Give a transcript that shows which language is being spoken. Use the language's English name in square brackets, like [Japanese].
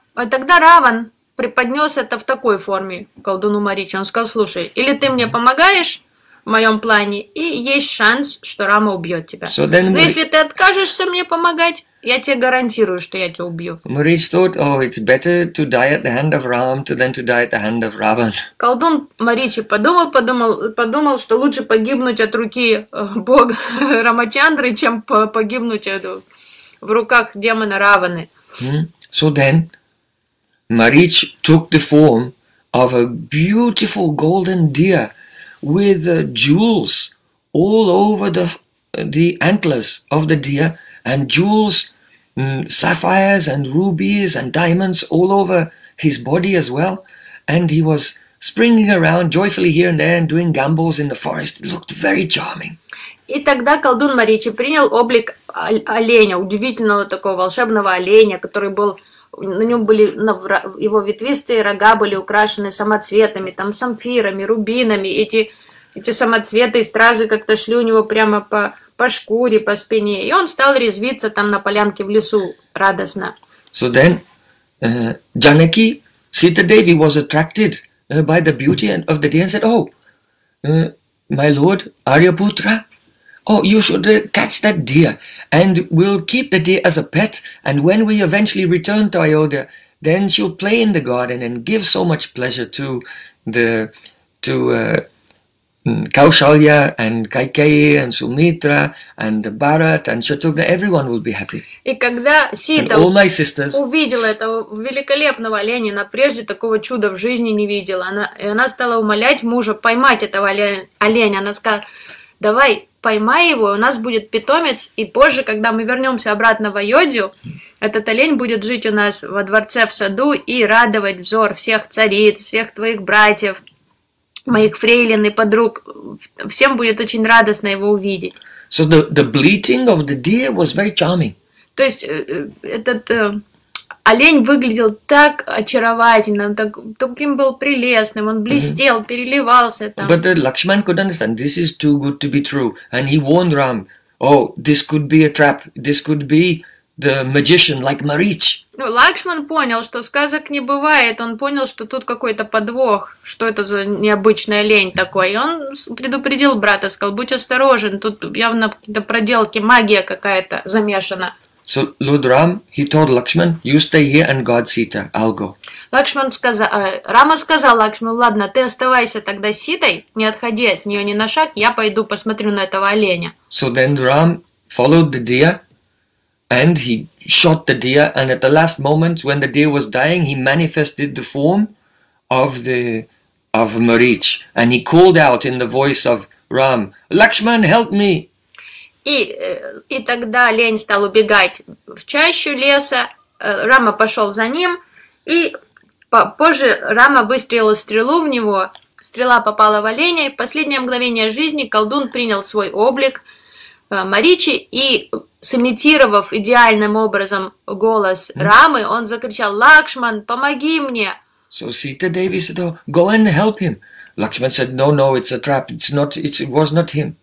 [Russian] Тогда Раван преподнес это в такой форме колдуну Маричи. Он сказал, слушай, или ты мне помогаешь в моем плане, и есть шанс, что Рама убьет тебя. [English] So then, [Russian] но если ты откажешься мне помогать, я тебе гарантирую, что я тебя убью. [English] Maharaj thought, oh, it's better to die at the hand of Ram than to die at the hand of Ravan. [Russian] Колдун Маричи подумал, что лучше погибнуть от руки бога Рамачандры, чем погибнуть в руках демона Раваны. [English] So then, Maharaj took the form of a beautiful golden deer, with jewels all over the antlers of the deer, and jewels, sapphires and rubies and diamonds all over his body as well, and he was springing around joyfully here and there and doing gambols in the forest. It looked very charming. [Russian] И тогда колдун Маричи принял облик оленя, удивительного такого волшебного оленя, который был. На нем были его ветвистые рога были украшены самоцветами, там самфирами, рубинами. Эти самоцветы и стразы как-то шли у него прямо по шкуре, по спине. И он стал резвиться там на полянке в лесу радостно. [English] So then, Janaki, Sita Devi was attracted by the beauty of the deer and said, "Oh, My lord, Aryaputra? Oh, you should catch that deer, and we'll keep the deer as a pet, and when we eventually return to Ayodhya, then she'll play in the garden and give so much pleasure to the to Kaushalya and Kaikeyi and Sumitra and Bharat and Shatrughna, everyone will be happy. [Russian] И когда Сита увидела этого великолепного оленя, она прежде такого чуда в жизни не видела. Она стала умолять мужа поймать этого оленя. Она сказала: "Давай, поймай его, у нас будет питомец, и позже, когда мы вернемся обратно в Айодию, этот олень будет жить у нас во дворце в саду и радовать взор всех цариц, всех твоих братьев, моих фрейлин и подруг. Всем будет очень радостно его увидеть". [English] So the bleating of the deer was very charming. [Russian] То есть этот олень выглядел так очаровательно, так, таким был прелестным, он блестел, mm-hmm. переливался там. [English] But Lakshman could understand, this is too good to be true. And he warned Ram, oh, this could be a trap, this could be the magician like Marich. [Russian] Ну, Лакшман понял, что сказок не бывает, он понял, что тут какой-то подвох, что это за необычный олень такой. И он предупредил брата, сказал, будь осторожен, тут явно какие-то проделки, магия какая-то замешана. [English] So Lord Ram, he told Lakshman, "You stay here and guard Sita. I'll go." [Russian] Лакшман сказал, Рама сказал Лакшману, "Ладно, ты оставайся тогда с Ситой, не отходи от нее ни на шаг. Я пойду посмотрю на этого оленя." [English] So then Ram followed the deer, and he shot the deer. And at the last moment, when the deer was dying, he manifested the form of Marich, and he called out in the voice of Ram, "Lakshman, help me!" [Russian] И тогда олень стал убегать в чащу леса, Рама пошел за ним, и позже Рама выстрелила стрелу в него, стрела попала в оленя, и в последнее мгновение жизни колдун принял свой облик Маричи, и, сымитировав идеальным образом голос Рамы, он закричал: «Лакшман, помоги мне!» [English] So Sita Devi said, oh, go and help him. Lakshman said, no, it's a trap, it was not him.